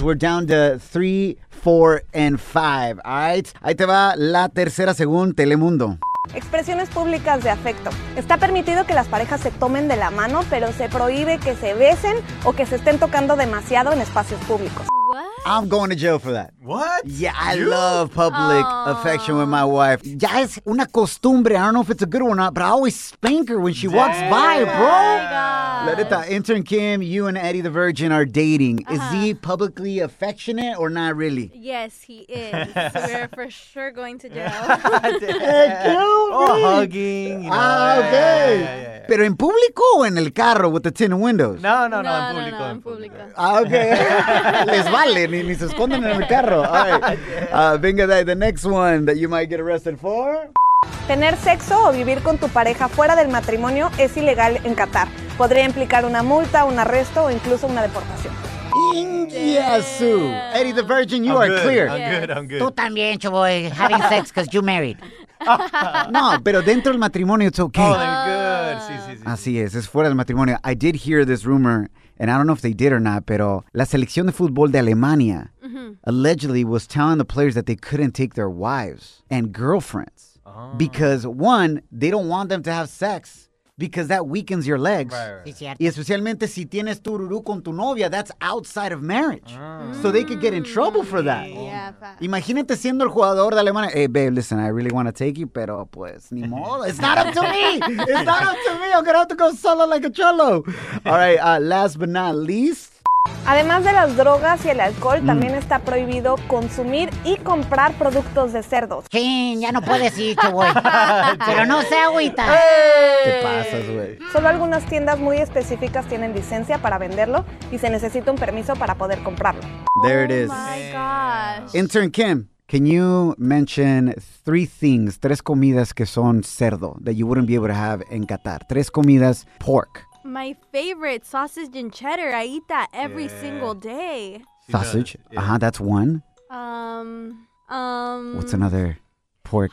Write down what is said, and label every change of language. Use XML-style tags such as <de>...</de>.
<en>We're down to 3, 4, and 5. All right.</en> <es>Ahí te va la tercera según Telemundo. Expresiones públicas de afecto. Está permitido que las parejas se tomen de la mano, pero se prohíbe que se besen o que se estén tocando demasiado en espacios públicos.</es> <en>I'm going to jail for that. What? Yeah, I love public affection with my wife.</en> <es>Ya es una costumbre.</es> <en>I don't know if it's a good one or not, but I always spank her when she walks by, bro. Oh, my God. Loretta, intern Kim, you and Eddie the Virgin are dating. Is he publicly affectionate or not really? Yes, he is. We're for sure going to jail. Oh, hugging. You know, okay. Yeah.</en> <es>Pero en público o en el carro</es> <en>with the tinted windows?</en> <es>No, en público. Okay. Les vale. Ni se esconden en el carro. Venga, right.</es> <en>The next one that you might get arrested for.</en> <es>Tener sexo o vivir con tu pareja fuera del matrimonio es ilegal en Qatar. Podría implicar una multa, un arresto o incluso una deportación.</es> <en>Yesu. Eddie the Virgin, you I'm are good. Clear. I'm good.</en> <es>Tú también,</es> <en>chavoy, having sex because you married.</en> <es>No, pero dentro del matrimonio</es> <en>it's okay. Oh, I'm good.</en> <es>Sí. Así es fuera del matrimonio.</es> <en>I did hear this rumor. And I don't know if they did or not,</en> <es>pero la selección de fútbol de Alemania</es> <en>allegedly was telling the players that they couldn't take their wives and girlfriends because, one, they don't want them to have sex because that weakens your legs. Right.</en> <es>Y especialmente si tienes tu rurú con tu novia,</es> <en>that's outside of marriage. So they could get in trouble for that. Yeah.</en> <es>Imagínate siendo el jugador de Alemania.</es> <en>Hey, babe, listen, I really want to take you,</en> <es>pero pues, ni modo.</es> <en>It's not up to me. It's not up to me. I'm going to have to go solo like a cholo. All right, last but not least.</en> <es>Además de las drogas y el alcohol, también está prohibido consumir y comprar productos de cerdos. ¡Chin! Ya no puedes ir, chavoy. ¡Pero no sé, agüita! ¿Qué pasas, güey? Solo algunas tiendas muy específicas tienen licencia para venderlo y se necesita un permiso para poder comprarlo.</es> <en>There it is. Oh, my gosh. Intern Kim, can you mention three things,</en> <es>tres comidas que son cerdo</es> <en>that you wouldn't be able to have in Qatar?</en> <es>Tres comidas,</es> <en>pork. My favorite, sausage and cheddar. I eat that every single day. Sausage? Yeah. Uh-huh, that's one. What's another pork?</en>